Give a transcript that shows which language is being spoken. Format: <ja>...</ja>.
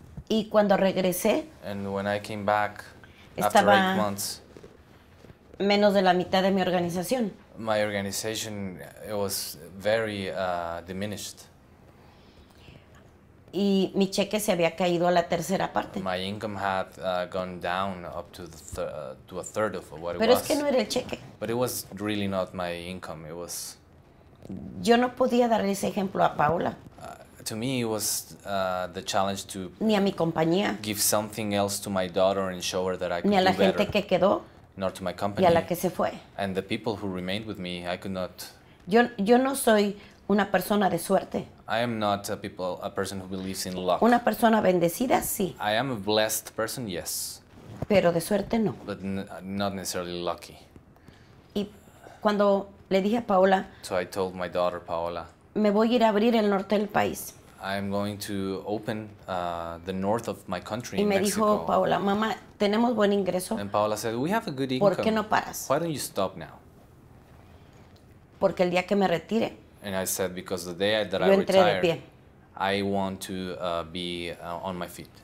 <es>Y cuando regresé,</es> <en>and when I came back after 8 months,</en> <es>menos de la mitad de mi organización.</es> <en>My organization, it was very diminished.</en> <es>Y mi cheque se había caído a la tercera parte.</es> <en>My income had gone down up to the to a third of what</en> <es>pero</es> <en>it was.</en> <es>Pero es que no era el cheque.</es> <en>But it was really not my income. It was...</en> <es>Yo no podía dar ese ejemplo a Paola.</es> <en>To me, it was the challenge to...</en> <es>Ni a mi compañía.</es> <en>Give something else to my daughter and show her that I could</en> <es>Ni a la gente</es> <en>better.</en> <es>Que quedó.</es> <en>Nor to my company.</en> <es>Y a la que se fue.</es> <en>And the people who remained with me, I could not.</en> <es>Yo no soy una persona de suerte.</es> <en>I am not a person who believes in luck.</en> <es>Una persona bendecida, sí.</es> <en>I am a blessed person, yes.</en> <es>Pero de suerte, no.</es> <en>But not necessarily lucky.</en> <es>Y cuando le dije a Paola.</es> <en>So I told my daughter Paola.</en> <es>Me voy a ir a abrir el norte del país.</es> <en>I am going to open the north of my country</en> <es>y</es> <en>in</en> <es>me</es> <en>Mexico.</en> <es>Dijo Paola, mamá, tenemos buen ingreso.</es> <en>And Paola said, we have a good income.</en> <es>¿Por qué no paras?</es> <en>Why don't you stop now?</en> <es>Porque el día que me retire.</es> <en>And I said, because the day that</en> <es>yo</es> <en>I retire,</en> <es>de pie.</es> <en>I want to be on my feet.</en>